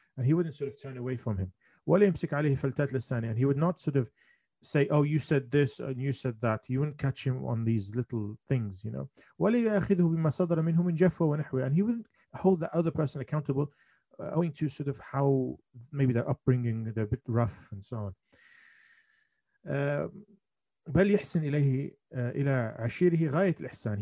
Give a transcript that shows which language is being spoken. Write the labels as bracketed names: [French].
[English] And he wouldn't sort of turn away from him. [Arabic] ولا يمسك عليه فلتات لسانه. [English] And he would not sort of say, oh, you said this and you said that. You wouldn't catch him on these little things, you know. [Arabic] ولا يأخذه بما صدر منه من جفوة ونحوه. [English] And he wouldn't hold the other person accountable owing to sort of how maybe their upbringing, they're a bit rough and so on. [Arabic] بل يحسن إليه إلى عشيره غاية الإحسان.